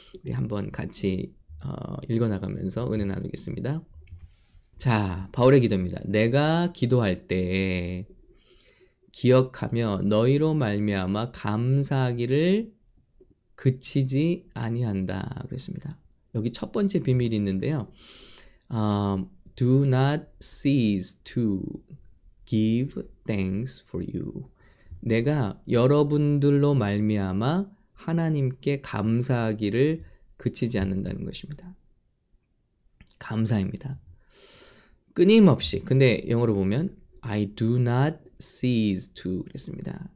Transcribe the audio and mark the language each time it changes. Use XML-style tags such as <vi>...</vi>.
<ko>우리 한번 같이 읽어나가면서 은혜 나누겠습니다. 자, 바울의 기도입니다. 내가 기도할 때 기억하며 너희로 말미암아 감사하기를 그치지 아니한다. 그랬습니다. 여기 첫 번째 비밀이 있는데요.</ko> <en>Do not cease to give thanks for you.</en> <ko>내가 여러분들로 말미암아 하나님께 감사하기를 그치지 않는다는 것입니다. 감사입니다. 끊임없이. 근데 영어로 보면</ko> <en>I do not cease to</en> <ko>그랬습니다.</ko>